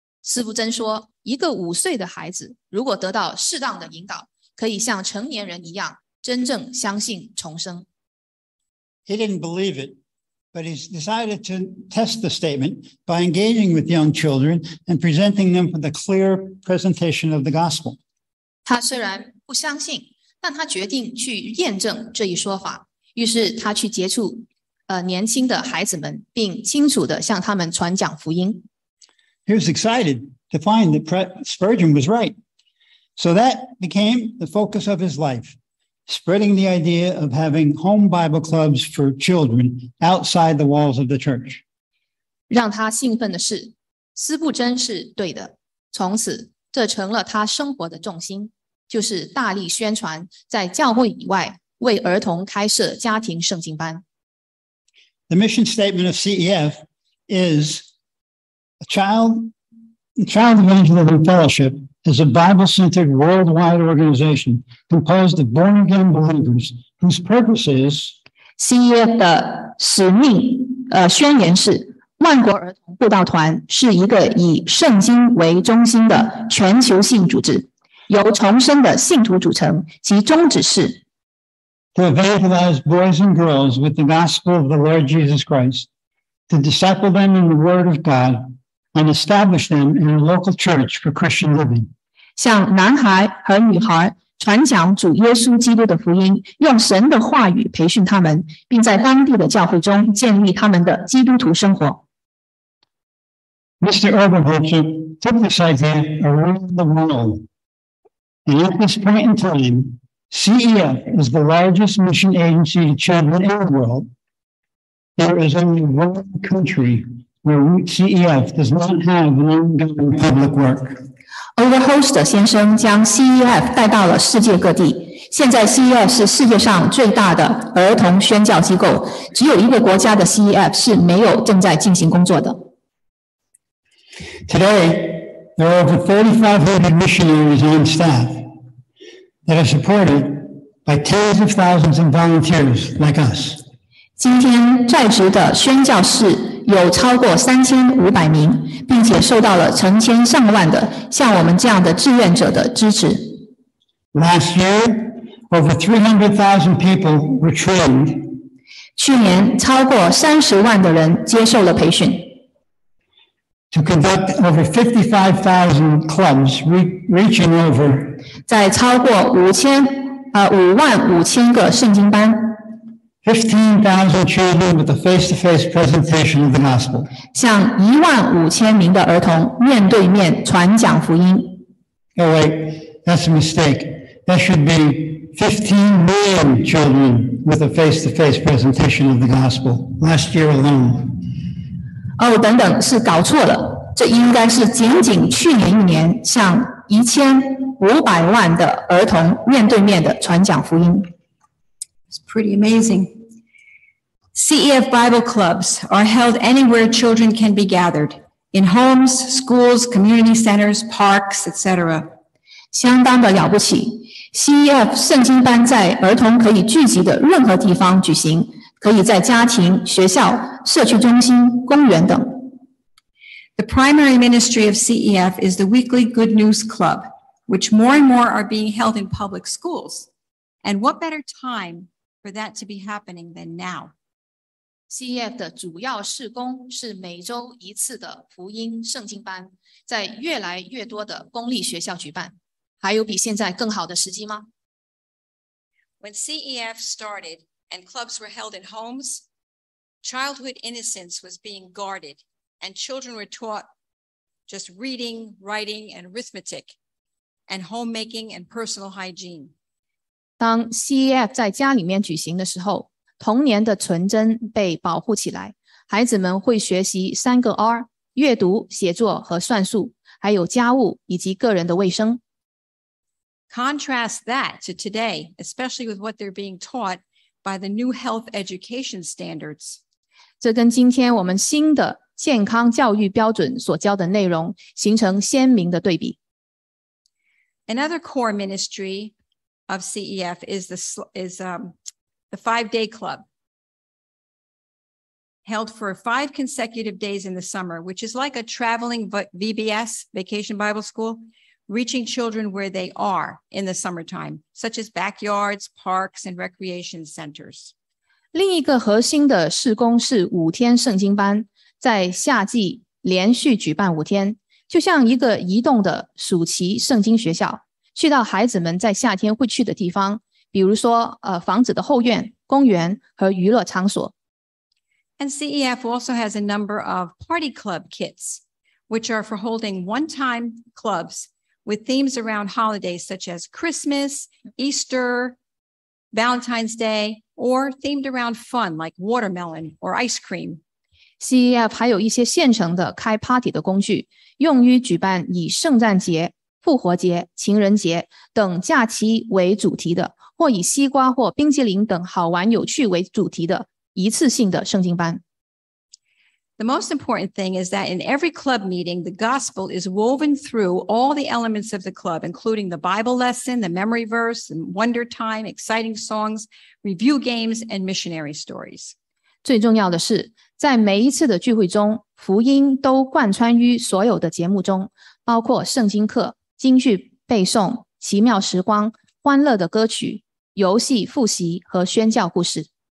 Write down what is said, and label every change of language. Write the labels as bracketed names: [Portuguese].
[Chinese] 斯布珍说，一个五岁的孩子如果得到适当的引导，可以像成年人一样真正相信重生。 [English] He didn't believe itBut he decided to test the statement by engaging with young children and presenting them with a clear presentation of the gospel. [Chinese] 他虽然不相信，但他决定去验证这一说法。于是他去接触年轻的孩子们，并清楚地向他们传讲福音。 [English] He was excited to find that Spurgeon was right. So that became the focus of his life. Spreading the idea of having home Bible clubs for children outside the walls of the church. [Chinese] 让他兴奋的是，斯布珍是对的。从此，这成了他生活的重心，就是大力宣传在教会以外为儿童开设家庭圣经班。 [English] The mission statement of CEF is a child evangelism fellowship. Is a Bible-centered worldwide organization composed of born-again believers whose purpose is [Chinese] CEF 的使命宣言是万国儿童布道团是一个以圣经为中心的全球性组织，由重生的信徒组成，其宗旨是 [English] to evangelize boys and girls with the gospel of the Lord Jesus Christ, to disciple them in the Word of God. And establish them in a local church for Christian living. [Chinese] 向男孩和女孩传讲主耶稣基督的福音，用神的话语培训他们，并在当地的教会中建立他们的基督徒生活。 [English] Mr. Overholtzer took this idea around the world, and at this point in time, CEF is the largest mission agency to children in the world. There is only one country. Where CEF does not have an ongoing public work. [Chinese] Overholtzer 先生将 CEF 带到了世界各地。现在 CEF 是世界上最大的儿童宣教机构，只有一个国家的 CEF 是没有正在进行工作的。 [English] Today, there are over 3,500 missionaries on staff that are supported by tens of thousands of volunteers like us. [Chinese] 今天在职的宣教士有超过3500名，并且受到了成千上万的像我们这样的志愿者的支持。 [English] Last year, over 300,000 people were trained. [Chinese] 去年超过300,000的人接受了培训。 [English] To conduct over 55,000 clubs, reaching over. [Chinese] 在超过55,000个圣经班。 [English] 15,000 children with a face-to-face presentation of the gospel. [Chinese] 向15,000名的儿童面对面传讲福音。 [English] Oh wait, that's a mistake. That should be 15 million children with a face-to-face presentation of the gospel last year alone. [Chinese] 等等，是搞错了。这应该是仅仅去年一年向1,500,000的儿童面对面的传讲福音。 [English] It's pretty amazing. CEF Bible clubs are held anywhere children can be gathered, in homes, schools, community centers, parks, etc. [Chinese] 相当的了不起。 CEF 圣经班在儿童可以聚集的任何地方举行，可以在家庭、学校、社区中心、公园等。 [English] The primary ministry of CEF is the weekly Good News Club, which more and more are being held in public schools. And what better time? For that to be happening than now. [Chinese] CEF 的主要事工是每周一次的福音圣经班，在越来越多的公立学校举办。还有比现在更好的时机吗？ [English] When CEF started and clubs were held in homes, childhood innocence was being guarded, and children were taught just reading, writing, and arithmetic, and homemaking and personal hygiene. [Chinese] 当 CEF 在家里面举行的时候，童年的纯真被保护起来，孩子们会学习三个 R， 阅读、写作和算术，还有家务以及个人的卫生。 [English] Contrast that to today, especially with what they're being taught by the new health education standards. [Chinese] 这跟今天我们新的健康教育标准所教的内容形成鲜明的对比。 [English] Another core ministry,of CEF is the 5-day club held for 5 consecutive days in the summer, which is like a traveling VBS, Vacation Bible School, reaching children where they are in the summertime, such as backyards, parks, and recreation centers. [Chinese] 另一个核心的事工是五天圣经班，在夏季连续举办五天，就像一个移动的暑期圣经学校。去到孩子们在夏天会去的地方，比如说房子的后院、公园和娱乐场所。 [English] And CEF also has a number of party club kits, which are for holding one-time clubs with themes around holidays such as Christmas, Easter, Valentine's Day, or themed around fun like watermelon or ice cream. [Chinese] CEF 还有一些现成的开 party 的工具，用于举办以圣诞节复活节、情人节等假期为主题的，或以西瓜或冰淇淋等好玩有趣为主题的一次性的圣经班。 [English] The most important thing is that in every club meeting, the gospel is woven through all the elements of the club, including the Bible lesson, the memory verse, and wonder time, exciting songs, review games, and missionary stories. [Chinese] 最重要的是，在每一次的聚会中，福音都贯穿于所有的节目中，包括圣经课。京剧背诵、奇妙时光、欢乐的歌曲、游戏复习和宣教故事。